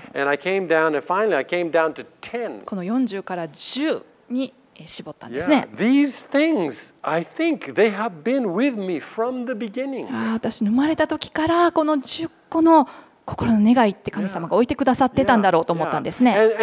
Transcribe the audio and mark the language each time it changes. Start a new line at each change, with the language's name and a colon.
English: And I came down and finally I came down to 10.
Japanese: この40から10に絞ったんですね。
English: Yeah. These things, I think they have been with me from the beginning.
Japanese: 私生まれた時からこの10個の心の願いって神様が置いてくださってたんだろうと思ったんですね。